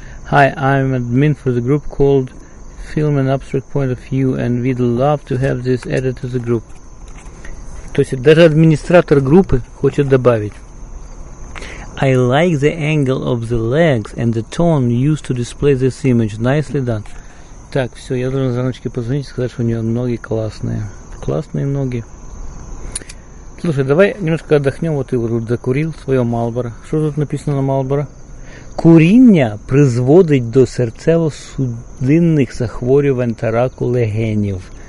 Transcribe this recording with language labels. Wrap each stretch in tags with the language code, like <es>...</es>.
<en>Hi, I'm admin for the group called Film and Abstract Point of View, and we'd love to have this added to the group.</en> <ru>То есть даже администратор группы хочет добавить.</ru> <en>I like the angle of the legs and the tone used to display this image. Nicely done.</en> <ru>Так, все, я должен Жаночке позвонить и сказать, что у нее ноги классные. Классные ноги. Слушай, давай немножко отдохнем. Вот ты вот тут закурил свое Marlboro. Что тут написано на Marlboro?</ru> <uk>Куріння призводить до серцево-судинних захворювань та раку легенів.</uk>